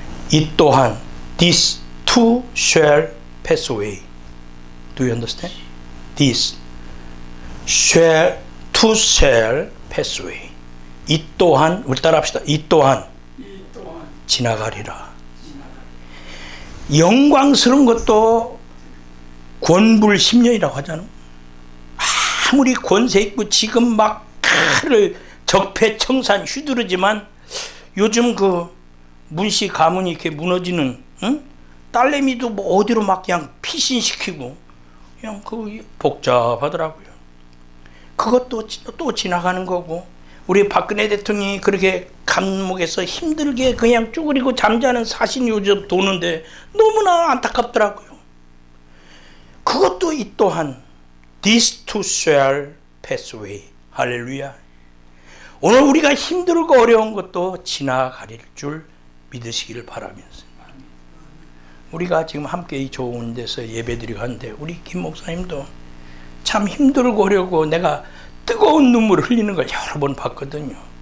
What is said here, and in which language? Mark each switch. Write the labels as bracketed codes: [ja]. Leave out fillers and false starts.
[ko] 이 또한 [en] this Two shall pass away. Do you understand? This shall, two shall pass away. [ko] 이 또한, 우리 따라 합시다. 이 또한 지나가리라. 영광스러운 것도 권불 10년이라고 하잖아. 아무리 권세 있고 지금 막 칼을 적폐청산 휘두르지만 요즘 그 문씨 가문이 이렇게 무너지는 응? 딸내미도 뭐 어디로 막 그냥 피신시키고 그냥 그 복잡하더라고요. 그것도 또 지나가는 거고 우리 박근혜 대통령이 그렇게 감옥에서 힘들게 그냥 쭈그리고 잠자는 사신 요즘 도는데 너무나 안타깝더라고요. 그것도 이 또한 [en] this too shall pass away. [ko] 할렐루야. 오늘 우리가 힘들고 어려운 것도 지나가릴 줄 믿으시기를 바라면서, 우리가 지금 함께 이 좋은 데서 예배드리고 하는데 우리 김 목사님도 참 힘들고 어려고 내가 뜨거운 눈물을 흘리는 걸 여러 번 봤거든요.